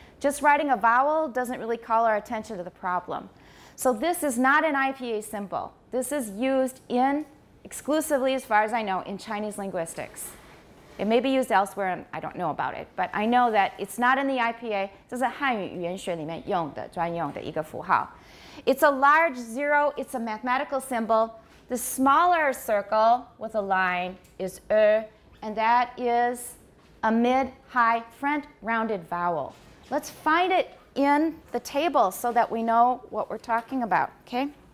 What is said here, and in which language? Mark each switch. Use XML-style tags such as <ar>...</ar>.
<en>Just writing a vowel doesn't really call our attention to the problem. So this is not an IPA symbol. This is used in exclusively, as far as I know, in Chinese linguistics. It may be used elsewhere, and I don't know about it, but I know that it's not in the IPA.</en> <zh>这是汉语语言学里面用的专用的一个符号.</zh> <en>It's a large zero. It's a mathematical symbol. The smaller circle with a line is e, and that is a mid-high front rounded vowel. Let's find it in the table so that we know what we're talking about, okay?</en>